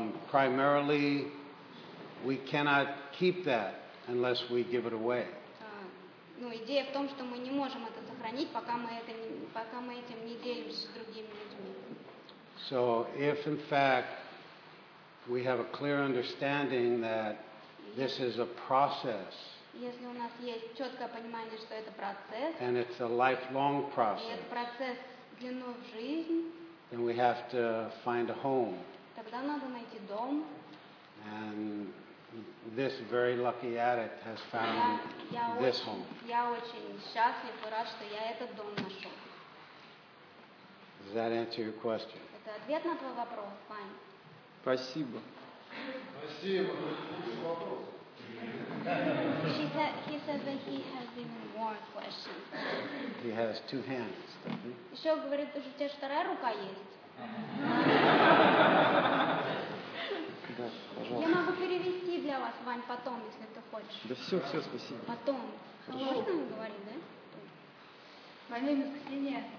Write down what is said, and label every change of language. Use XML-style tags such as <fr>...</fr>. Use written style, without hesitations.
<en>Primarily, we cannot keep that unless we give it away.</en> <ru>Ну, идея в том, что мы не можем это сохранить, пока мы этим не делимся с другими людьми.</ru> <en>So, if in fact we have a clear understanding that this is a process.</en> <ru>Если у нас есть четкое понимание, что это процесс.</ru> <en>And it's a lifelong process.</en> <ru>И это процесс длиной в жизнь.</ru> <en>Then we have to find a home.</en> <ru>Тогда надо найти дом.</ru> <en>And this very lucky addict has found this home.</en> <ru>Я очень счастлив и рад, что я этот дом нашел.</ru> <en>Does that answer your question?</en> <ru>Это ответ на твой вопрос, Ваня. Спасибо. Спасибо.</ru> <en>He says that he has even more questions. He has two hands.</en> <ru>Еще говорит, у тебя вторая рука есть. Да, пожалуйста. Я могу перевести для вас, Вань, потом, если ты хочешь. Да все, спасибо. Потом. Хорошо. Можно говорить, да?</ru> <en>My name is Ksenia.</en>